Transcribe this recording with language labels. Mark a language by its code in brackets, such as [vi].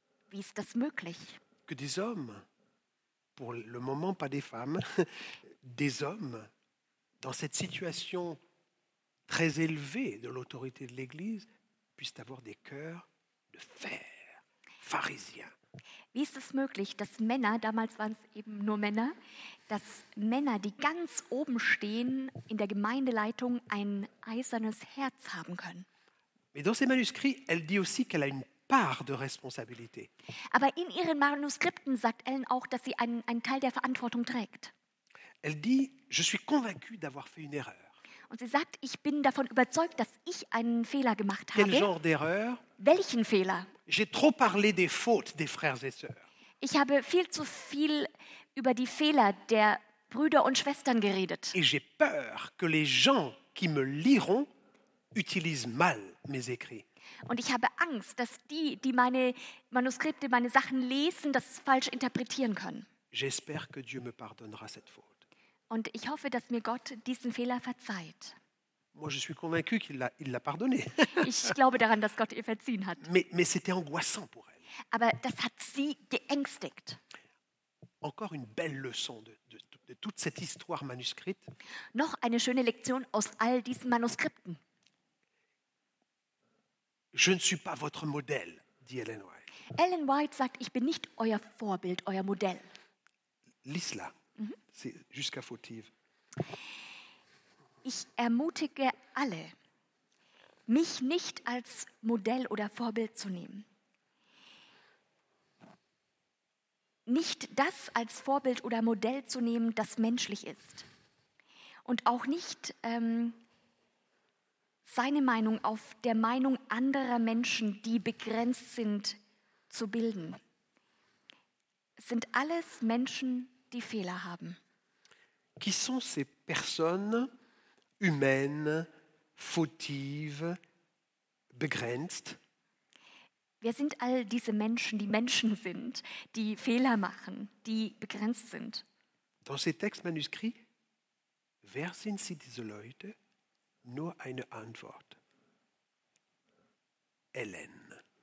[de] Wie ist das möglich? [fr] Que des hommes, pour le moment pas des femmes, des hommes dans cette situation très élevée de l'autorité de l'Église puissent avoir des cœurs de fer, pharisiens. [de] Wie ist es möglich, dass Männer, damals waren es eben nur Männer, dass Männer, die ganz oben stehen in der Gemeindeleitung, ein eisernes Herz haben können? [fr] Mais dans ses manuscrits, elle dit aussi qu'elle a une part de responsabilité. [de] Aber in ihren Manuskripten sagt Ellen auch, dass sie einen Teil der Verantwortung trägt. [fr] Elle dit, je suis convaincue d'avoir fait une erreur. [de] Und sie sagt, ich bin davon überzeugt, dass ich einen Fehler gemacht habe. [fr] Quel genre d'erreur? [de] Welchen Fehler? [fr] J'ai trop parlé des fautes des frères et sœurs. [de] Ich habe viel zu viel über die Fehler der Brüder und Schwestern geredet. [fr] Et j'ai peur que les gens qui me liront utilisent mal mes écrits. [de] Und ich habe Angst, dass die, die meine Manuskripte, meine Sachen lesen, das falsch interpretieren können. [fr] J'espère que Dieu me pardonnera cette faute. [de] Und ich hoffe, dass mir Gott diesen Fehler verzeiht. [fr] Moi, je suis convaincu qu'il l'a pardonné. [de] Ich glaube daran, dass Gott ihr verziehen hat. [fr] Mais c'était angoissant pour elle. [de] Aber das hat sie geängstigt. [fr] Encore une belle leçon de toute cette histoire manuscrite. [de] Noch eine schöne Lektion aus all diesen Manuskripten. [fr] Je ne suis pas votre modèle, dit Ellen White. [de] Ellen White sagt, ich bin nicht euer Vorbild, euer Modell. Lisla, c'est jusqu'à fautive. Ich ermutige alle, mich nicht als Modell oder Vorbild zu nehmen. Nicht das als Vorbild oder Modell zu nehmen, das menschlich ist. Und auch nicht seine Meinung auf der Meinung anderer Menschen, die begrenzt sind, zu bilden. Es sind alles Menschen, die Fehler haben. [fr] Qui sont ces personnes humaines, fautives, [de] begrenzt? Wer sind all diese Menschen sind, die Fehler machen, die begrenzt sind? [fr] Dans ces textes manuscrits, [de] wer sind sie, diese Leute? Nur eine Antwort. Ellen.